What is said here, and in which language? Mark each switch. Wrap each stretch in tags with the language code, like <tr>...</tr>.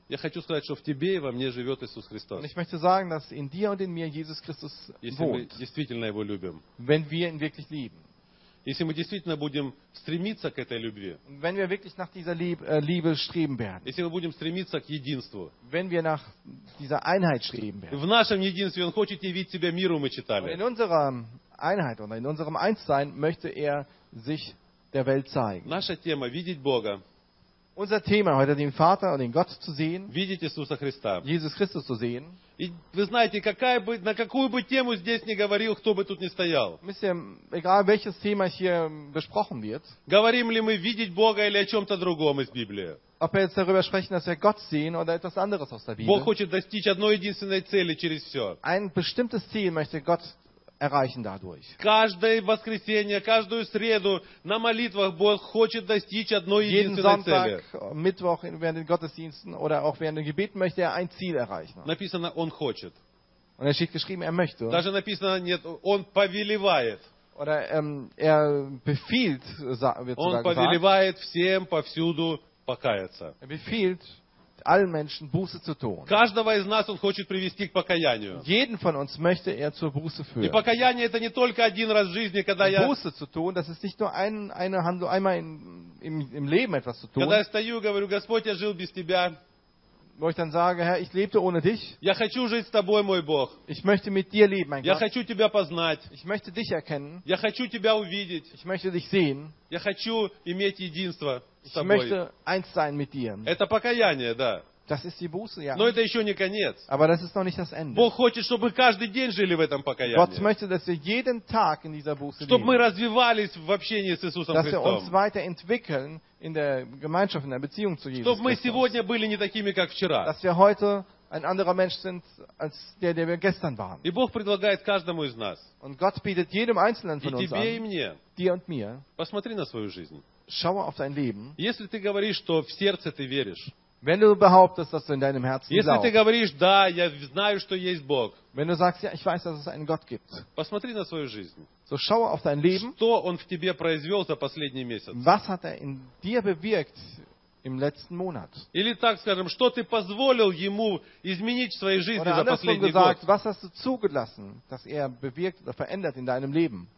<ru>Я хочу сказать, что в тебе и во мне живет Иисус Христос.</ru> <de>Und ich möchte sagen, dass in dir und in mir Jesus Christus</de> <ru>если</ru> <de>wohnt.</de> <ru>Если мы действительно его любим.</ru> <de>Wenn wir ihn wirklich lieben.</de> <ru>Если мы действительно будем стремиться к этой любви,</ru> <de>wenn wir wirklich nach dieser Liebe streben werden,</de> <ru>если мы будем стремиться к единству,</ru> <de>wenn wir nach dieser Einheit streben werden,</de> <ru>в нашем единстве Он хочет явить себя миру, мы читали.</ru> <de>In unserer Einheit oder in unserem Einssein möchte er sich der Welt zeigen.</de> <ru>Наше тема видеть Бога.</ru> <de>Unser Thema heute, den Vater und den Gott zu sehen.</de> <ru>Видеть Иисуса Христа.</ru> <de>Jesus Christus zu sehen.</de> <ru>И вы знаете, какая бы на какую бы тему здесь ни говорил, кто бы тут ни стоял.</ru> <de>Egal welches Thema hier besprochen wird.</de> <ru>Говорим ли мы видеть Бога или о чем-то другом из Библии?</ru> <de>Ob wir jetzt darüber sprechen, dass wir Gott sehen oder etwas anderes aus der Bibel.</de> <ru>Бог хочет достичь одной единственной цели через все.</ru> <de>Ein bestimmtes Ziel möchte Gott erreichen dadurch.</de> <ru>Каждое воскресенье, каждую среду на молитвах Бог хочет достичь одной единственной цели.</ru> <de>Jeden Sonntag, Mittwoch während den Gottesdiensten oder auch während den Gebeten möchte er ein Ziel erreichen.</de> <ru>Написано, он хочет.</ru> <de>Und er steht geschrieben, er möchte.</de> <ru>Даже написано, нет, он повелевает.</ru> <de>Oder er befiehlt, wird</de> <ru>он</ru> <de>sogar</de> <ru>повелевает</ru> <de>gesagt.</de> <ru>Всем повсюду покаяться.</ru> <de>Er befiehlt allen Menschen Buße zu tun.</de> <ru>Каждого из нас он хочет привести к покаянию.</ru> <de>Jeden von uns möchte er zur Buße führen.</de> <ru>И покаяние это не только один раз в жизни, когда я</ru> <de>Buße zu tun, das ist nicht nur eine Handlung, einmal im Leben etwas zu tun.</de> <ru>Когда я стою, говорю, Господь, я жил без тебя.</ru> <de>Wo ich dann sage, Herr, ich lebte ohne dich.</de> <ru>Я хочу жить с тобой, мой Бог.</ru> <de>Ich möchte mit dir leben, mein Gott.</de> <ru>Я хочу тебя познать.</ru> <de>Ich möchte dich erkennen.</de> <ru>Я хочу тебя увидеть.</ru> <de>Ich möchte dich sehen.</de> <ru>Я хочу иметь единство.</ru> <de>Ich möchte eins sein mit dir.</de> <ru>Это покаяние, да.</ru> <de>Das ist die Buße, ja.</de> <ru>Но это еще не конец.</ru> <de>Aber das ist noch nicht das Ende.</de> <ru>Бог хочет, чтобы каждый день жили в этом покаянии.</ru> <de>Gott möchte, dass wir jeden Tag in dieser Buße leben.</de> <ru>Чтобы мы развивались в общении с Иисусом</ru> <de>dass</de> <ru>Христом.</ru> <de>Dass wir uns weiterentwickeln in der Gemeinschaft, in der Beziehung zu Jesus.</de> <ru>Чтобы мы сегодня были не такими, как вчера.</ru> <de>Dass wir heute ein anderer Mensch sind als der wir gestern waren.</de> <ru>И Бог предлагает каждому из нас.</ru> <de>Und Gott bietet jedem einzelnen von uns an.</de> <ru>И тебе, и мне.</ru> <de>Dir und mir.</de> <ru>Посмотри на свою жизнь.</ru> <de>Schau auf dein Leben.</de> <ru>Если ты говоришь, что в сердце ты веришь.</ru> <de>Wenn du behauptest, dass du in deinem Herzen</de> <ru>если</ru> <de>glaubst.</de> <ru>Ты говоришь, да, я знаю, что есть Бог.</ru> <de>Wenn du sagst, ja, ich weiß, dass es einen Gott gibt.</de> <ru>Посмотри на свою жизнь.</ru> <de>So schau auf dein Leben.</de> <ru>Что он в тебе произвел за последний месяц?</ru> <de>Was hat er in dir bewirkt im letzten Monat?</de> <ru>Или так скажем, что ты позволил ему изменить в своей жизни</ru> <de>oder</de> <ru>за последний</ru> <de>gesagt,</de> <ru>год?</ru> <de>Was hast du zugelassen, dass er bewirkt oder verändert in deinem Leben?</de>